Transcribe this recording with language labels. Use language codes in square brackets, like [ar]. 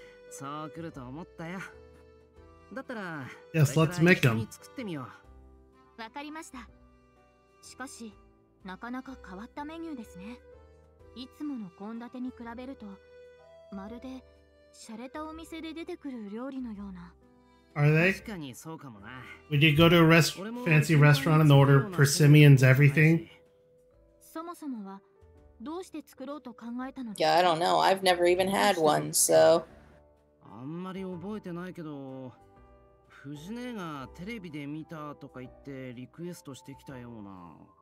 [ja] そう来ると思ったよ。だったら、 [en] Yes, let's make them. [ja] 作ってみよう。わかりました。しかし、なかなか変わったメニューですね。いつもの献立に比べると、まるで洒落たお店で出てくる料理のような。 [en] Are they? [ja] 確かにそうかもな。 [en] Would you go to a fancy restaurant and order persimmons everything? [ja] そもそもは、どうして作ろうと考えたの? [en] Yeah, I don't know. I've never even had one, so... [ja] あんまり覚えてないけど…フジネがテレビで見たとか言ってリクエストしてきたような。